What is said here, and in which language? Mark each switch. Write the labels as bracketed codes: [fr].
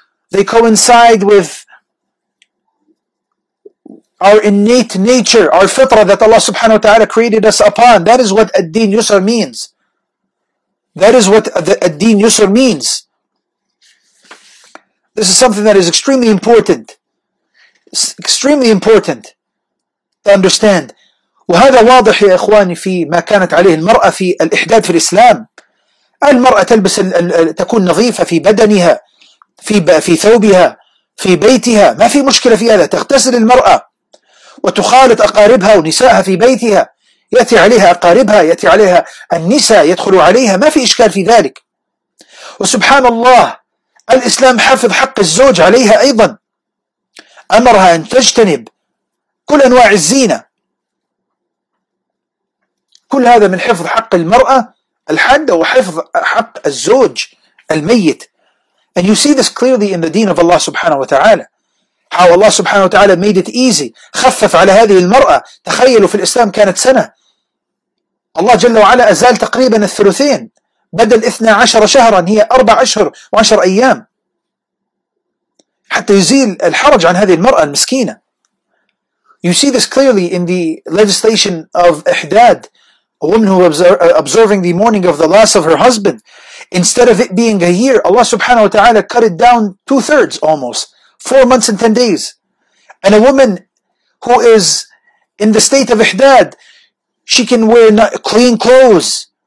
[en] They coincide with our innate nature, our fitrah that Allah subhanahu wa ta'ala created us upon. That is what ad-din yusr means. That is what the ad-din yusr means. This is something that is extremely important. It's extremely important to understand. [ar] وهذا واضح يا إخواني في ما كانت عليه المرأة في الإحداد في الإسلام. المرأة تلبس تكون نظيفة في بدنها، في ثوبها، في بيتها، ما في مشكلة في هذا. تغتسل المرأة وتخالط أقاربها ونساءها في بيتها، يأتي عليها أقاربها، يأتي عليها النساء، يدخلوا عليها، ما في إشكال في ذلك. وسبحان الله، الإسلام حفظ حق الزوج عليها أيضا، أمرها أن تجتنب كل أنواع الزينة. كل هذا من حفظ حق المرأة الحادة وحفظ حق الزوج الميت. [en] And you see this clearly in the deen of Allah subhanahu wa ta'ala. How Allah subhanahu wa ta'ala made it easy. [ar] خفف على هذه المرأة. تخيلوا في الإسلام كانت سنة. الله جل وعلا أزال تقريبا الثلثين. بدل 12 شهرا هي 4 أشهر و10 أيام. حتى يزيل الحرج عن هذه المرأة المسكينة. [en] You see this clearly in the legislation of إحداد A woman who observing the mourning of the loss of her husband, instead of it being a year, Allah subhanahu wa ta'ala cut it down 2/3 almost, 4 months and 10 days. And a woman who is in the state of ihdad, she can wear clean clothes.